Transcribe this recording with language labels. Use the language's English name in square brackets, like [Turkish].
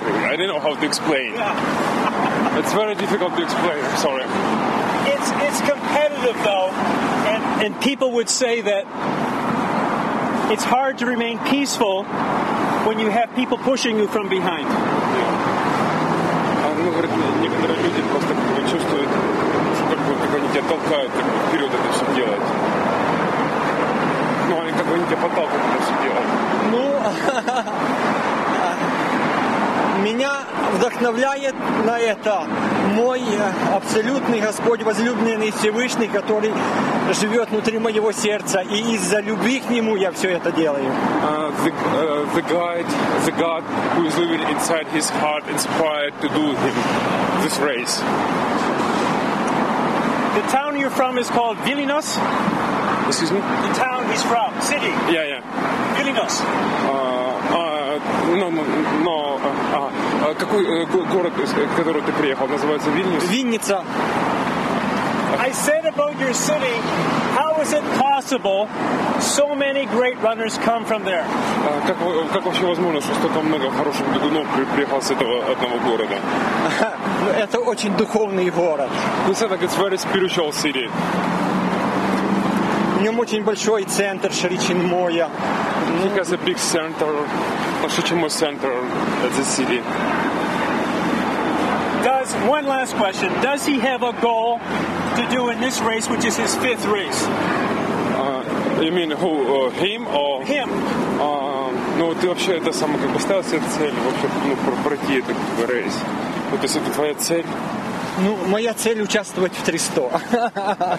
[English] I don't know how to explain. Yeah. It's very difficult to explain. I'm sorry. It's competitive though, and people would say that it's hard to remain peaceful when you have people pushing you from behind. [Russian] Ну, говорит, некоторые люди просто как бы чувствуют, как они тебя толкают, как бы вперед это все делать. Ну, они как бы они тебя подталкивают это все делать. Ну, меня вдохновляет на это мой абсолютный Господь, возлюбленный Всевышний, который живет внутри моего сердца, и из-за любви к Нему я все это делаю. [English] The God who is living inside his heart inspired to do him this race. The town you're from is called Vilnius. Excuse me? The town he's from, city. Yeah, yeah. Vilnius. [Russian] Какой город, из которого ты приехал, называется Вильнюс? Винница. [English] I said about your city, how is it possible so many great runners come from there? [Russian] Как вообще возможно, что столько много хороших бегунов приехал с этого одного города? Это очень духовный город. [English] Ну, it's very spiritual city. [Russian] В нем очень большой центр Шричинмоя. [English] He has a big center, Шричинмоя center at the city. Does one last question? Does he have a goal to do in this race, which is his fifth race? You mean who? Him or him? [Russian] Ну ты вообще это сам как бы ставил себе цель вообще ну пройти этот рейс? Вот если это твоя цель? Ну, моя цель участвовать в 300.